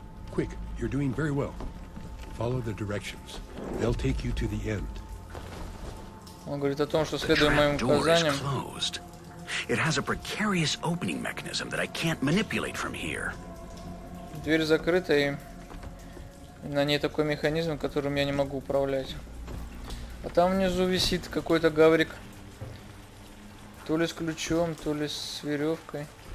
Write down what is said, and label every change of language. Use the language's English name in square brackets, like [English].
[English] Quick, you're doing very well. Follow the directions. They'll take you to the end. [Russian] Он говорит о том, что следуем моим указаниям. [English] It has a precarious opening mechanism that I can't manipulate from here. [Russian] Дверь закрыта, и на ней такой механизм, которым я не могу управлять. А там внизу висит какой-то гаврик. То ли с ключом, то ли с веревкой.